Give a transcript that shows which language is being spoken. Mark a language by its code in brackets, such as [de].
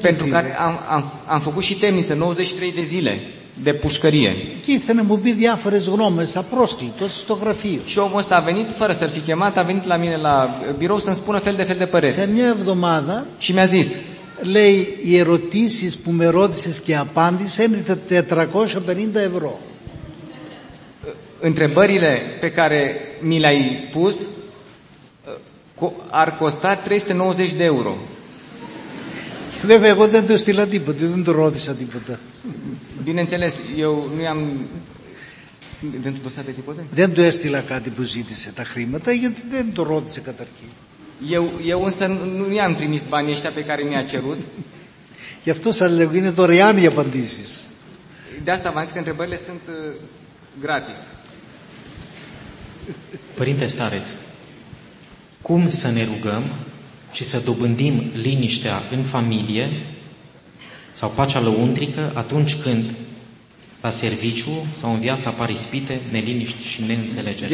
[ro] Pentru care am făcut și temniță 93 de zile. De pușcărie. [el] Και ήθελε να μου πει διάφορες γνώμες απρόσκλητος στο γραφείο. [ro] Și omul ăsta a venit fără să-l fi chemat, a venit la mine la birou să-mi spună fel de fel de păreri. [el] Σε μια εβδομάδα. [ro] Și mi-a zis. [el] Λέει, οι ερωτήσεις που με ρώτησες και απάντησες είναι 450 ευρώ. [ro] Întrebările pe care mi le-ai pus ar costa 390 de euro. [el] Βέβαια, εγώ δεν το στείλα τίποτα, δεν το ρώτησα τίποτα. [ro] Bineînțeles, eu nu am. [el] Δεν το δώσατε τίποτα. Δεν το έστειλα κάτι που ζήτησε τα χρήματα, γιατί δεν το ρώτησε καταρχήν. [ro] Eu însă nu am trimis banii ăștia pe care mi-a cerut. [el] Γι' αυτό σας λέω, είναι δωρεάν οι απαντήσεις. [ro] De asta v-am zis că întrebările sunt gratis. Părinte Stareț, cum să ne rugăm și să dobândim liniștea în familie sau pacea lăuntrică atunci când la serviciu sau în viață apar ispite, neliniști și neînțelegeri.